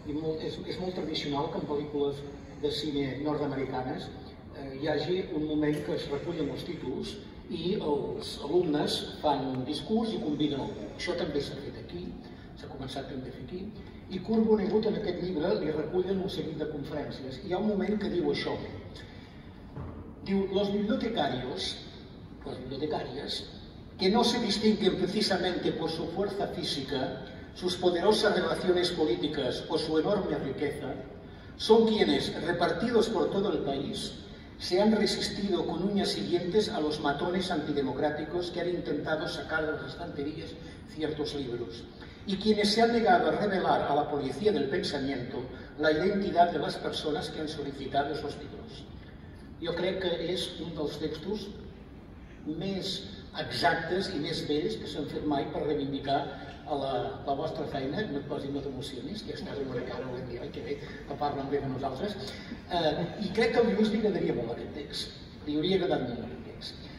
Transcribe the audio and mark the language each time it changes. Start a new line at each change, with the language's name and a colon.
Catalan: I molt és molt tradicional que en pel·lícules de cine nord-americanes hi hagi un moment que es recullen els títols i els alumnes fan un discurs i conviden algú. Això també s'ha fet aquí, s'ha començat també a fer aquí. I Kurt Vonnegut en aquest llibre li recullen un seguit de conferències. Hi ha un moment que diu això.
Spanish: Diu, los bibliotecarios, las bibliotecarias, que no se distinguen precisamente por su fuerza física, sus poderosas relaciones políticas o su enorme riqueza, son quienes, repartidos por todo el país, se han resistido con uñas y dientes a los matones antidemocráticos que han intentado sacar de las estanterías ciertos libros, y quienes se han negado a revelar a la policía del pensamiento la identidad de las personas que han solicitado esos libros. Yo creo que es uno de los textos más
Catalan: exactes i més vells que s'han fet mai per reivindicar la vostra feina. No et posi més emocionis, que estàs amb una cara avui dia, que bé, que parlen bé de nosaltres. I crec que a Lluís li agradaria molt aquest text. Li hauria agradat molt aquest text.